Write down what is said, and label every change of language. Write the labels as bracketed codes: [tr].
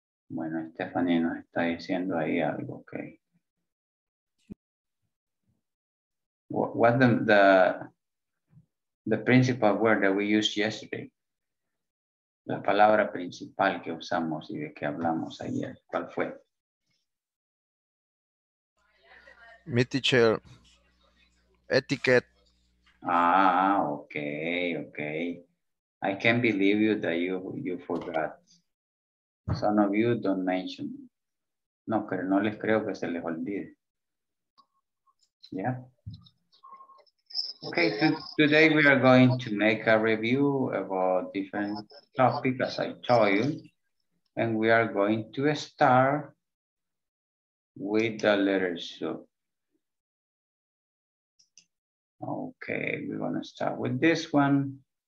[es] Bueno, Stephanie nos está diciendo ahí algo, okay. [en] What the principal word that we used yesterday? [es] La palabra principal que usamos y de que hablamos ayer, ¿cuál fue? Mi teacher, etiquette. [en] Ah, okay, okay. I can't believe you that you forgot. Some of you don't mention. [es] No, pero no les creo que se les olvide. [en] Yeah. Okay, today we are going to make a review about different topics, as I told you. And we are going to start with the letters. Okay, we're going to start with this one.